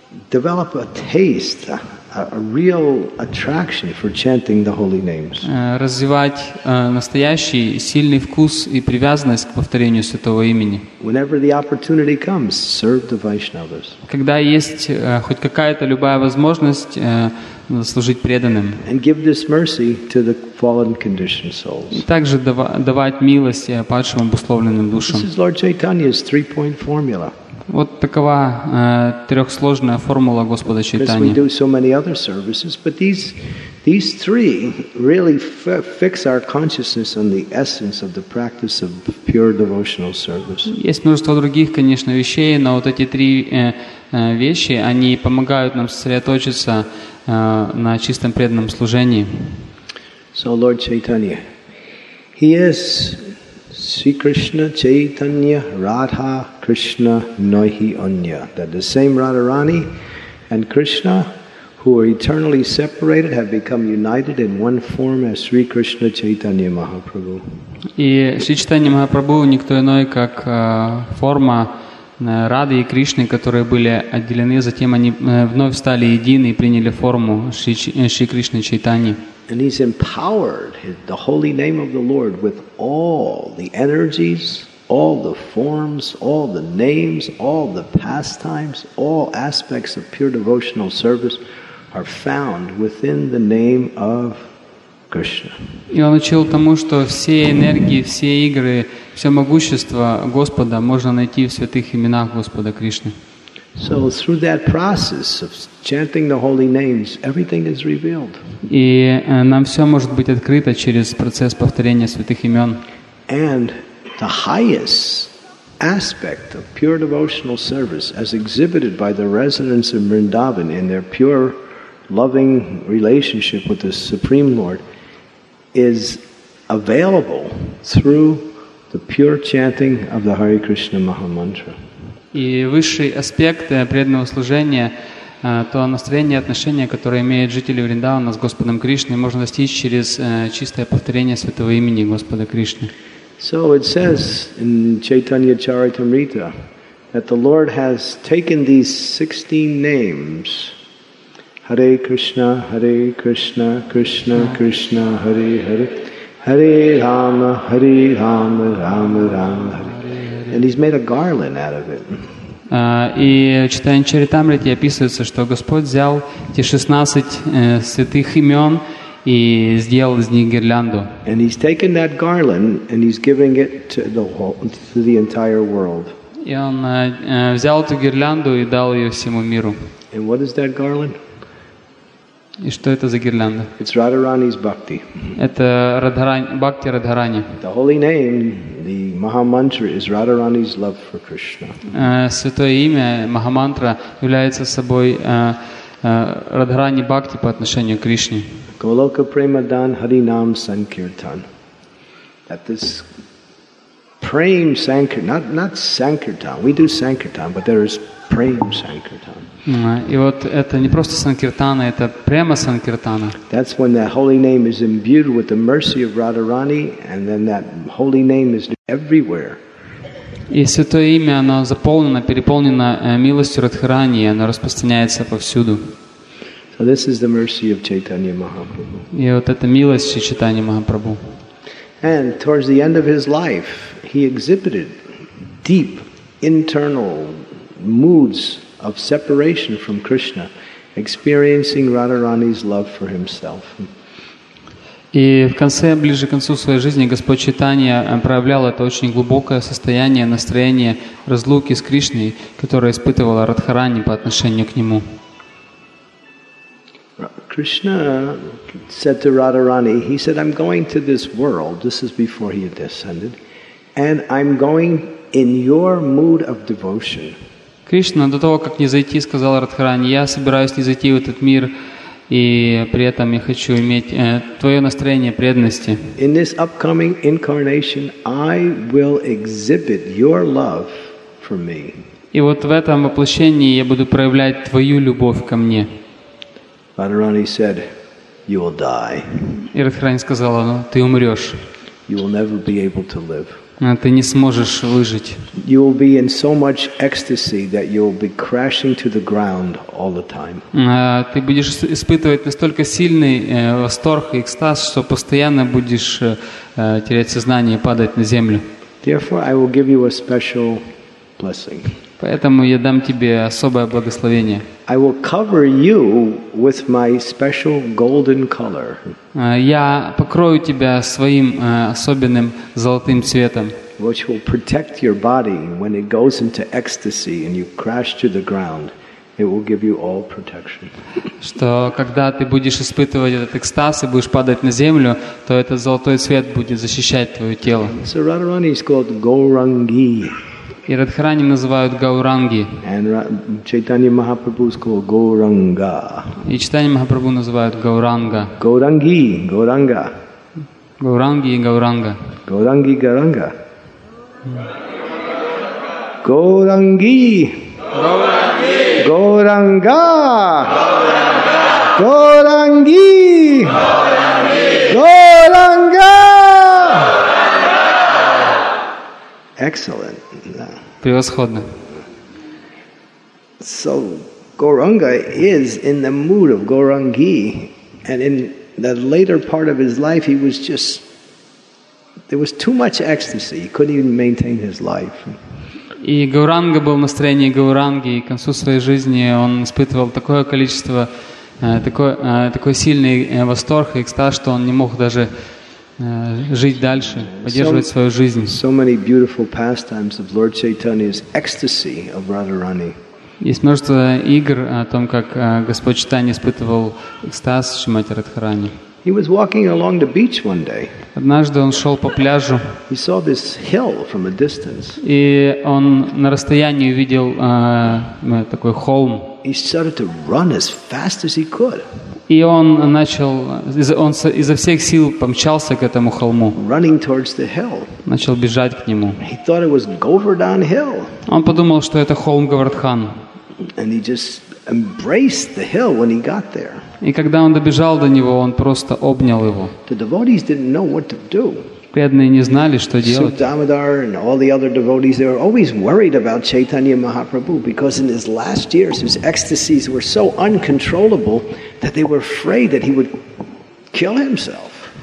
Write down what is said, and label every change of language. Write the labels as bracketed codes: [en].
[en] Develop a taste, a real attraction for chanting the holy names. [ru] Развивать настоящий сильный вкус и привязанность к повторению Святого Имени. [en] Whenever the opportunity comes, serve the Vaishnavas. [ru] Когда есть хоть какая-то любая возможность, служить преданным. [en] And give this mercy to the fallen conditioned souls. [ru] И также давать милость падшим обусловленным душам. [en] This is Lord Chaitanya's three-point formula. [ru] Вот такова трехсложная формула Господа Чайтаньи. [en] Because we do so many other services, but these three really fix our consciousness on the essence of the practice of pure devotional service. [ru] Есть множество других, конечно, вещей, но вот эти три вещи, они помогают нам сосредоточиться на чистом преданном служении. [en] So Lord Chaitanya, He is [bn] Sri Krishna Chaitanya Radha Krishna Nahi Anya. [en] That the same Radharani and Krishna who are eternally separated have become united in one form as Sri Krishna Chaitanya Mahaprabhu. [ru] И Шри Чайтанья Махапрабху никто иной, как форма Рады и Кришны, которые были отделены, затем они вновь стали едины и приняли форму Шри Кришны Чайтаньи. [en] And he's empowered the holy name of the Lord with all the energies, all the forms, all the names, all the pastimes, all aspects of pure devotional service are found within the name of Krishna. [ru] И он учил тому, что все энергии, все игры, все могущество Господа можно найти в святых именах Господа Кришны. [en] So through that process of chanting the holy names, everything is revealed. [ru] И нам все может быть открыто через процесс повторения святых имен. [en] And the highest aspect of pure devotional service, as exhibited by the residents of Vrindavan in their pure, loving relationship with the Supreme Lord, is available through the pure chanting of the Hare Krishna Maha Mantra. [ru] И высший аспект преданного служения, то настроение и отношение, которое имеют жители Вриндавана с Господом Кришной, можно достичь через чистое повторение Святого Имени Господа Кришны. [en] So it says in Chaitanya Charitamrita that the Lord has taken these 16 names, Hare Krishna, Hare Krishna, Krishna Krishna, Hare Hare, Hare Rama, Hare Rama, Rama Rama, Hare. And he's made a garland out of it. [ru] И читая Чаритамриту, описывается, что Господь взял эти 16 святых имен и сделал из них гирлянду. [en] And he's taken that garland and he's giving it to the whole, to the entire world. [ru] И он взял эту гирлянду и дал ее всему миру. [en] And what is that garland? [ru] И что это за гирлянда? [en] It's Radharani's bhakti. [ru] Это бхакти Радхарани. [en] The holy name, the Maha Mantra, is Radharani's love for Krishna. [ru] Святое имя Маха Мантра является собой Радхарани бхакти по отношению к Кришне. [bn] Голока Премадан Харинам Санкиртан. [en] That this Prem Sankirtan, not Sankirtan. We do Sankirtan, but there is Prem Sankirtan. [ru] И вот это не просто санкиртана, это према санкиртана. [en] That's when that holy name is imbued with the mercy of Radharani, and then that holy name is everywhere. [ru] И святое имя, оно заполнено, переполнено милостью Радхарани, оно распространяется повсюду. [en] So this is the mercy of Chaitanya Mahaprabhu. [ru] И вот это милость Шри Чайтаньи Махапрабху. [en] And towards the end of his life, he exhibited deep internal moods of separation from Krishna, experiencing Radharani's love for himself. [ru] И в конце, ближе к концу своей жизни, Господь Чайтанья проявлял это очень глубокое состояние, настроение разлуки с Кришной, которое испытывала Радхарани по отношению к нему. [en] Krishna said to Radharani, he said, I'm going to this world, this is before he had descended, and I'm going in your mood of devotion. [ru] Кришна до того, как не зайти, сказал Радхарани, я собираюсь не зайти в этот мир, и при этом я хочу иметь твое настроение преданности. [en] In this upcoming incarnation, I will exhibit your love for me. [ru] И вот в этом воплощении я буду проявлять твою любовь ко мне. [en] Radharani said, you will die. [ru] И Радхарани сказала, ну, ты умрешь. [en] You will never be able to live. [ru] Ты не сможешь выжить. [en] You will be in so much ecstasy that you will be crashing to the ground all the time. [ru] Ты будешь испытывать настолько сильный восторг и экстаз, что постоянно будешь терять сознание и падать на землю. [en] Therefore, I will give you a special blessing. [ru] Поэтому я дам тебе особое благословение. [en] I will cover you with my special golden color. [ru] Я покрою тебя своим особенным золотым цветом. [en] Which will protect your body when it goes into ecstasy and you crash to the ground. It will give you all protection. [ru] Что когда ты будешь испытывать этот экстаз и будешь падать на землю, то этот золотой цвет будет защищать твое тело. [en] So Radharani is called Gaurangi. [ru] И Радхарани называют Гауранги. Чайтанья Махапрабху сказал Гауранга. И Чайтанья Махапрабху называют Гауранга. Гауранги, Гауранга. Гауранги и Гауранга. Гауранги и Гауранга. Гауранги. Гауранги. Гауранга. Гауранги. Гауранга. [en] Excellent. [ru] Превосходно. [en] So Gauranga is in the mood of Gaurangi, and in the later part of his life, he was just there was too much ecstasy. He couldn't even maintain his life. [ru] И Гауранга был в настроении Гауранги, и к концу своей жизни он испытывал такое количество такой сильный восторг и экстаз, что он не мог даже жить дальше, поддерживать свою жизнь. [en] So many beautiful pastimes of Lord Chaitanya's ecstasy of Radharani. [ru] Есть множество игр о том, как Господь Чайтанья испытывал экстаз Шримати Радхарани. [en] He was walking along the beach one day. [ru] Однажды он шел по пляжу. [en] He saw this hill from a distance. [ru] И он на расстоянии увидел такой холм. [en] He started to run as fast as he could. [ru] И он начал, он изо всех сил помчался к этому холму. [en] Running towards the hill. [ru] Начал бежать к нему. [en] He thought it was Govardhan Hill. [ru] Он подумал, что это холм Говардхан. [en] And he just embraced the hill when he got there. [ru] И когда он добежал до него, он просто обнял его. [en] The devotees didn't know what to do. [ru] Преданные не знали, что делать. [en] Sudha Damodar and all the other devotees, they were always worried about Chaitanya Mahaprabhu because in his last years, his ecstasies were so uncontrollable that they were afraid that he would kill himself.